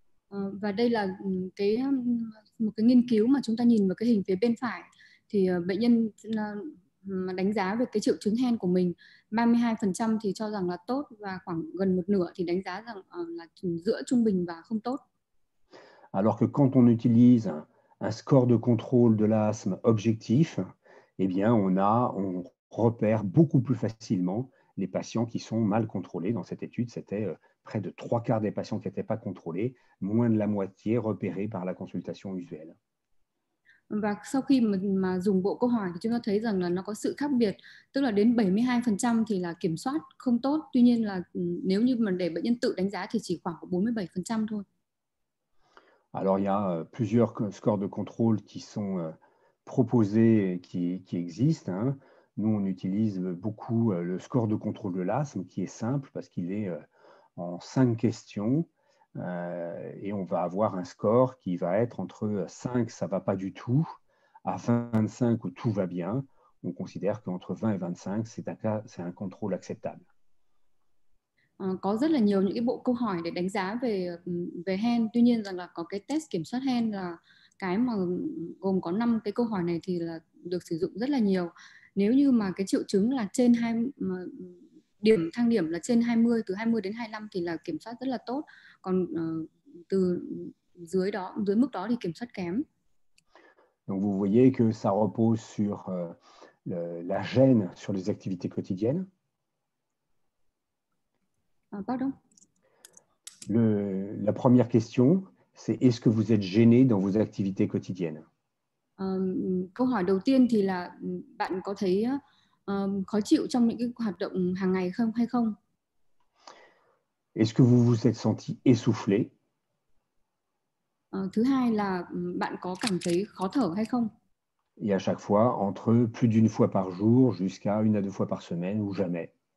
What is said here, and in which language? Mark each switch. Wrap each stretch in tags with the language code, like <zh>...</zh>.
<vi>Và đây là một cái nghiên cứu mà chúng ta nhìn vào cái hình phía bên phải, thì bệnh nhân mà đánh giá về cái triệu chứng hen của mình, 32% thì cho rằng là tốt và khoảng gần một nửa thì đánh giá rằng là giữa trung bình và không tốt.</vi> <fr>Alors que quand on utilise un score de contrôle de l'asthme objectif, eh bien on repère beaucoup plus facilement les patients qui sont mal contrôlés. Dans cette étude, c'était près de 3/4 des patients qui n'étaient pas contrôlés, moins de la moitié repérés par la consultation usuelle.</fr> <vi>Và sau khi mà dùng bộ câu hỏi thì chúng ta thấy rằng là nó có sự khác biệt, tức là đến 72% thì là kiểm soát không tốt, tuy nhiên là nếu như mà để bệnh nhân tự đánh giá thì chỉ khoảng 47% thôi.</vi> <fr>Alors, il y a plusieurs scores de contrôle qui sont proposés, qui existent, hein. Nous, on utilise beaucoup le score de contrôle de l'asthme, qui est simple parce qu'il est en 5 questions. Et on va avoir un score qui va être entre 5, ça ne va pas du tout, à 25, où tout va bien. On considère qu'entre 20 et 25, c'est un contrôle acceptable.</fr> <vi>Có rất là nhiều những cái bộ câu hỏi để đánh giá về về hen, tuy nhiên rằng là có cái test kiểm soát hen là cái mà gồm có 5 cái câu hỏi này thì là được sử dụng rất là nhiều. Nếu như mà cái triệu chứng là trên hai điểm thang điểm là trên 20, từ 20 đến 25 thì là kiểm soát rất là tốt, còn từ dưới đó dưới mức đó thì kiểm soát kém.</vi> <fr>Donc vous voyez que ça repose sur la gêne sur les activités quotidiennes. Pardon. La première question, c'est est-ce que vous êtes gêné dans vos activités quotidiennes?</fr> <vi>Câu hỏi đầu tiên thì là bạn có thấy khó chịu trong những cái hoạt động hàng ngày không hay không?</vi> <fr>Est-ce que vous vous êtes senti essoufflé?</fr> <vi>Thứ hai là bạn có cảm thấy khó thở hay không?</vi> <fr>Et à chaque fois, entre plus d'une fois par jour jusqu'à une à deux fois par semaine ou jamais.</fr>